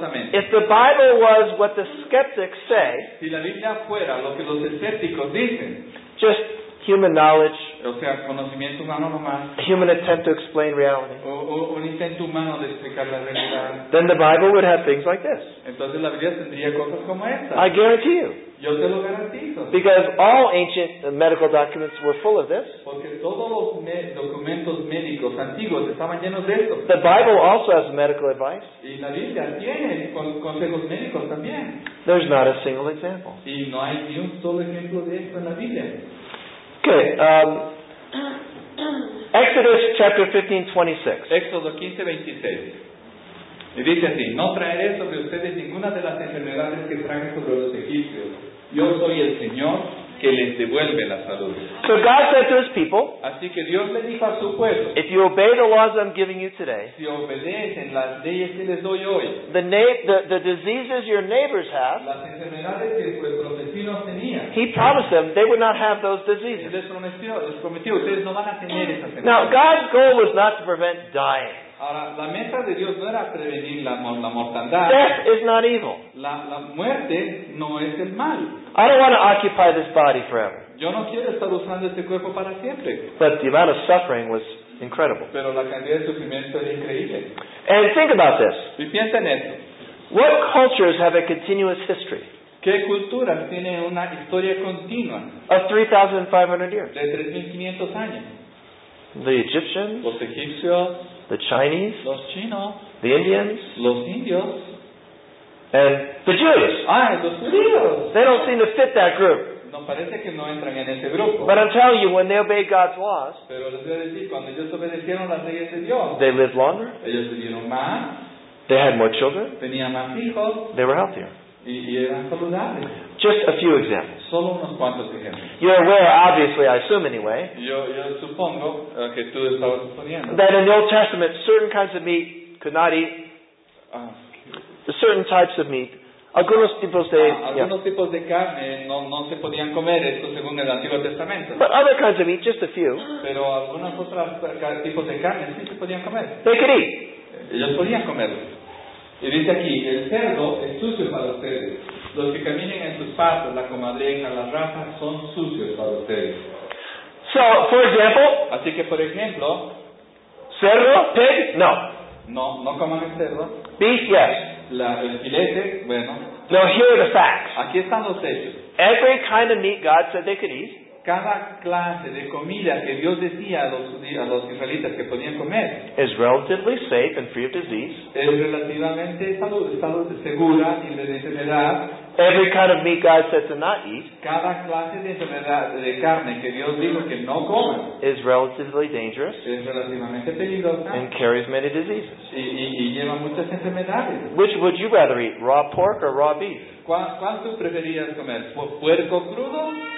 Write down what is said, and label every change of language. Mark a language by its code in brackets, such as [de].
[en] If the Bible was what the skeptics say, [es] si la Biblia fuera lo que los escépticos dicen, [en] just human knowledge, [es] o sea, conocimiento humano nomás, [en] a human attempt to explain reality, [es] o un intento humano de explicar la realidad, [en] then the Bible would have things like this. [es] Entonces, la Biblia tendría cosas como estas. [en] I guarantee you. [es] Yo te lo garantizo. [en] Because all ancient medical documents were full of this. [es] Porque todos los documentos médicos antiguos estaban llenos de esto. [en] The Bible also has medical advice. [es] Y la Biblia tiene consejos médicos también. [en] There's not a single example. [es] Y no hay ni un solo ejemplo de esto en la Biblia. [en] Okay, Exodus chapter 15:26. [es] Éxodo 15:26. Y dice así: no traeré sobre ustedes ninguna de las enfermedades que traje sobre los egipcios. Yo soy el Señor que les devuelve la salud. [en] So God said to his people, [es] así que Dios le dijo a su pueblo, [en] if you obey the laws I'm giving you today, [es] si obedecen las leyes que les doy hoy, [en] the diseases your neighbors have, [es] las enfermedades que vuestros vecinos tenían, [en] he promised them they would not have those diseases. [es] Y les prometió, ustedes no van a tener esas enfermedades. [en] Now God's goal was not to prevent dying. [es] Ahora, la meta de Dios no era prevenir la mortandad. [en] Death is not evil. [es] La muerte no es el mal. [en] I don't want to occupy this body forever. [es] Yo no quiero estar usando este cuerpo para siempre. [en] But the amount of suffering was incredible. [es] Pero la cantidad de sufrimiento era increíble. [en] And think about this. [es] Y piensa en esto. [en] What cultures have a continuous history? [es] ¿Qué cultura tiene una historia continua? [en] Of 3,500 years. [es] De 3,500 años. [en] The Egyptians. [es] Los egipcios. [en] The Chinese, [es] los chinos, [en] the Indians, [es] los indios, [en] and the Jews. [es] Los judíos. [en] They don't seem to fit that group. [es] No, parece que no entran en ese grupo. [en] But I'm telling you, when they obeyed God's laws, [es] pero les voy a decir, cuando ellos obedecieron las leyes de Dios, [en] they lived longer. [es] Ellos vivieron más. [en] They had more children. [es] Tenían más hijos. [en] They were healthier. [es] Y eran saludables. [en] Just a few examples. [es] Solo unos cuantos ejemplos. [en] You're aware, obviously, I assume anyway, [es] yo supongo que tú estabas suponiendo, [en] that in the Old Testament, certain kinds of meat could not eat. Certain types of meat. [es] Algunos tipos de, tipos de carne no se podían comer, esto según el Antiguo Testamento. [en] But other kinds of meat, just a few. [es] Pero algunos otros tipos de carne sí se podían comer. [en] They could eat. [es] Ellos podían comerlo. Y dice aquí, el cerdo es sucio para ustedes. Los que caminen en sus patas, la comadreja, las ratas, son sucios para ustedes. [en] So, for example, [es] así que, por ejemplo, cerdo, pig, no. No coman el cerdo. [en] Beef, yes. [es] El filete, bueno. [en] Now, here are the facts. [es] Aquí están los hechos. [en] Every kind of meat God said they could eat. [es] Cada clase de comida que Dios decía a los israelitas que podían comer [en] is relatively safe and free of disease. [es] Es relativamente saludable, segura y libre de enfermedad. [en] Every kind of meat God said to not eat. [es] Cada clase de enfermedad de carne que Dios dijo que no coman [en] is relatively dangerous. [es] Es relativamente peligrosa. [en] And carries many diseases. [es] Y lleva muchas enfermedades. [en] Which would you rather eat, raw pork or raw beef? [es] ¿Cuál tú preferirías comer, puerco crudo